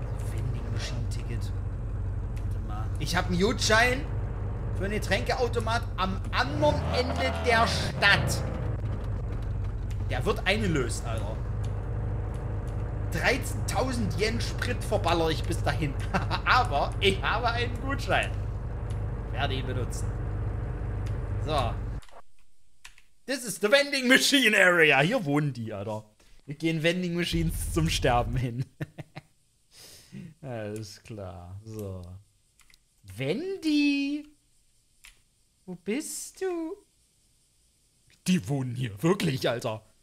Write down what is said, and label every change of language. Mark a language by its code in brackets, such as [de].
[de] Vending Machine Ticket. Warte mal. Ich habe einen Gutschein für einen Getränkeautomat am anderen Ende der Stadt. Der wird eingelöst, Alter. 13.000 Yen Sprit verballere ich bis dahin. Aber ich habe einen Gutschein. Werde ihn benutzen. So. [en] This is the Vending Machine Area. [de] Hier wohnen die, Alter. Wir gehen Vending Machines zum Sterben hin. Alles klar. So. Wendy! Wo bist du? Die wohnen hier. Wirklich, Alter.